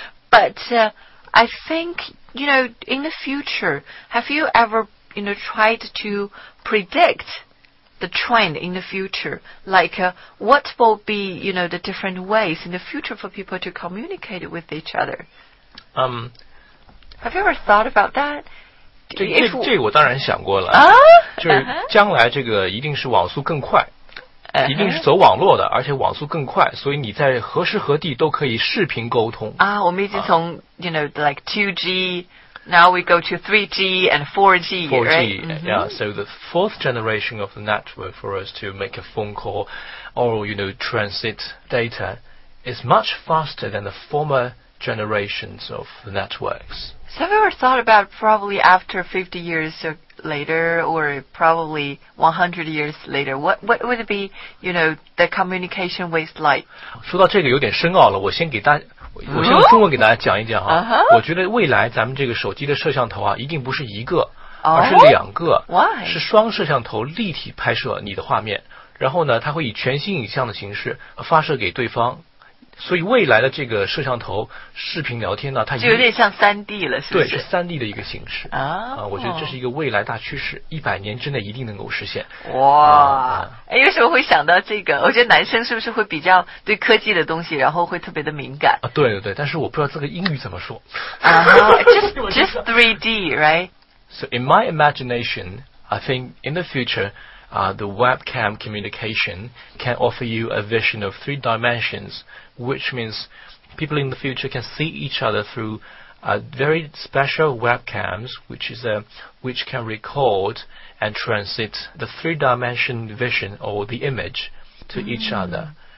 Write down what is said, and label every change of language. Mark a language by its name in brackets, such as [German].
[English] But I think, you know, in the future, have you ever, you know, tried to predict the trend in the future? Like what will be, you know, the different ways in the future for people to communicate with each other? Have you ever thought about that? [Chinese] 这我当然想过了、就是将来这个一定是网速更快、一定是走网络的，而且网速更快，所以你在何时何地都可以视频沟通啊。我们已经从、 [English] you know, like 2G, now we go to 3G and 4G, right? 4G, yeah, so the fourth generation of the network for us to make a phone call or, you know, transit data is much faster than the former generations of networks. So have you ever thought about probably after 50 years or later, or probably 100 years later, what would it be, you know, the communication waste like? [Chinese] 说到这个有点深奥了，我先用中文给大家讲一讲哈。我觉得未来咱们这个手机的摄像头啊，一定不是一个，而是两个。 [English] Why? [Chinese] 是双摄像头立体拍摄你的画面，然后呢，它会以全新影像的形式发射给对方。所以未来的这个摄像头视频聊天呢，它就有点像 3D 了，是不是？对，是 3D 的一个形式啊。我觉得这是一个未来大趋势，100年之内一定能够实现。哇，哎，为什么会想到这个？我觉得男生是不是会比较对科技的东西，然后会特别的敏感啊？对对对，但是我不知道这个英语怎么说。 [English] 啊、just 3D, right? So in my imagination, I think in the future. The webcam communication can offer you a vision of three dimensions, which means people in the future can see each other through very special webcams, which can record and transmit the three-dimension vision or the image to each other.